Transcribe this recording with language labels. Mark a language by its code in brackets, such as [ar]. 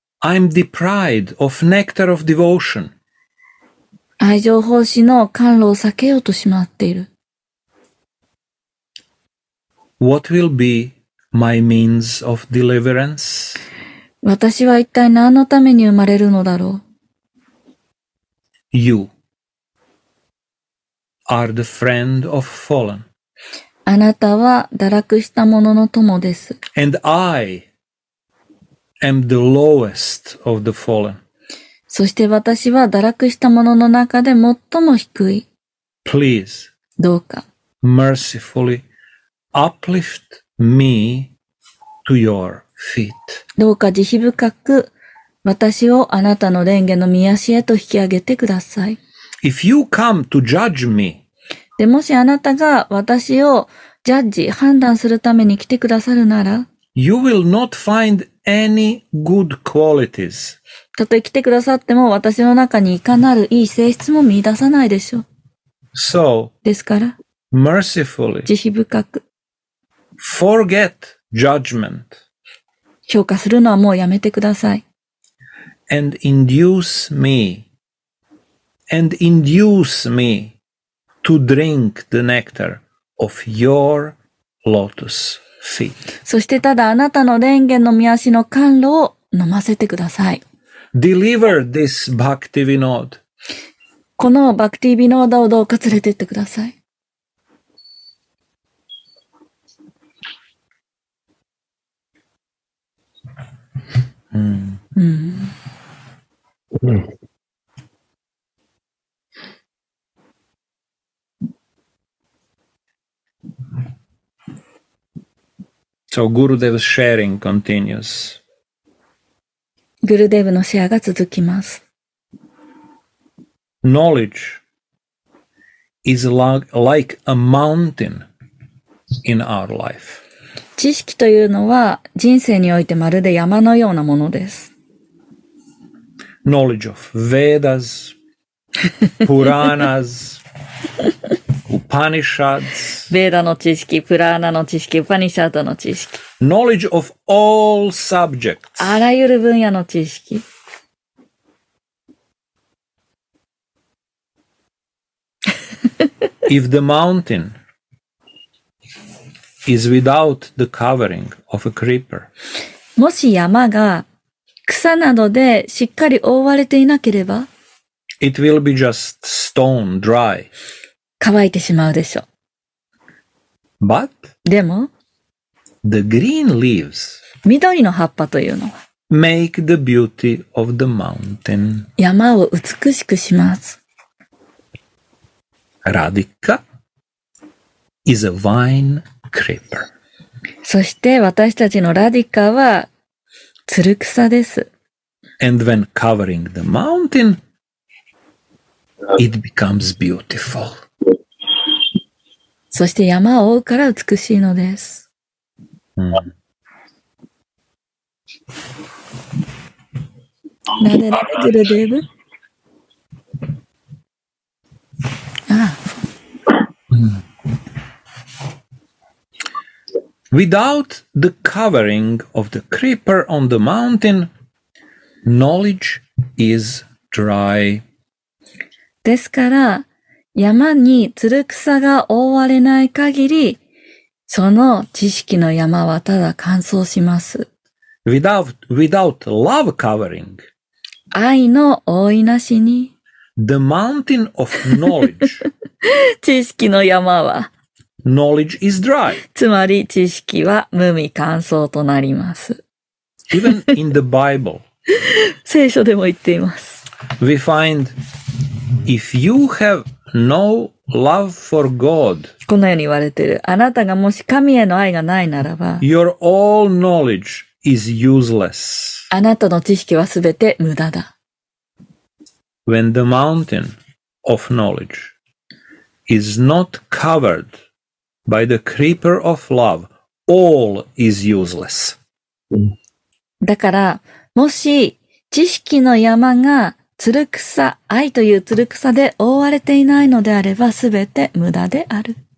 [en] I'm deprived of nectar of devotion. [ja] 愛情奉仕の甘露を避けようとしまっている。 [en] What will beMy means of deliverance. [ja] 私は一体何のために生まれるのだろう? [en] You are the friend of fallen. [ja] あなたは堕落した者の友です。 [en] And I am the lowest of the fallen. [ja] そして私は堕落した者の中で最も低い。 [en] Please, [ja] どうか。 [en] mercifully uplift me. To your feet. [ja] どうか慈悲深く私をあなたの蓮華の御足へと引き上げてください。 [en] If you come to judge me, [ja] でもしあなたが私をジャッジ、判断するために来てくださるなら、 [en] you will not find any good qualities. [ja] たとえ来てくださっても私の中にいかなるいい性質も見出さないでしょう。 [en] So, [ja] ですから、 [en] mercifully, [ja] 慈悲深く、 [en] forget. Judgment. [ja] 評価するのはもうやめてください。 [en] And induce me. And induce me to drink the nectar of your lotus feet. [ja] そしてただあなたの蓮華の御足の甘露を飲ませてください。 [en] Deliver this Bhakti Vinod. [ja] このバクティビノーダをどうか連れてってください。 [en] So Gurudev's sharing continues. [ja] Gurudev のシェアが続きます。 [en] Knowledge is like a mountain in our life. [ja] 知識というのは人生においてまるで山のようなものです。 [en] knowledge of Vedas, Puranas, Upanishads. [ja] Veda の知識、Purana の知識、Upanishad の知識。 [en] Knowledge of all subjects. [ja] あらゆる分野の知識。 [en] If the mountain is without the covering of a creeper, [ja] もし山が草などでしっかり覆われていなければ、 [en] it will be just stone dry. [ja] 乾いてしまうでしょう。 [en] But, [ja] でも、 [en] the green leaves [ja] 緑の葉っぱというのは、 [en] make the beauty of the mountain. [ja] 山を美しくします。 [en] Radhika is a vine creeper. [ja] そして私たちのラディカはつる草です。 [en] And when covering the mountain, it becomes beautiful. [ja] そして山を覆うから美しいのです。なでられてるデブ。 [en] Without the covering of the creeper on the mountain, knowledge is dry. [ja] ですから、山につる草が覆われない限り、その知識の山はただ乾燥します。 [en] Without love covering, [ja] 愛の覆いなしに、 [en] the mountain of knowledge, [ja] 知識の山は、 [en] Knowledge is dry. [ja] つまり知識は無味乾燥となります。 [en] Even in the Bible, [ja] 聖書でも言っています。 [en] We find if you have no love for God, [ja] こんなように言われている。あなたがもし神への愛がないならば、 [en] Your all knowledge is useless. [ja] あなたの知識はすべて無駄だ。 [en] When the mountain of knowledge is not covered. By the creeper of love, all is useless. [ja] だから、もし知識の山がつる草、愛というつる草で覆われていないのであれば、すべて無駄である。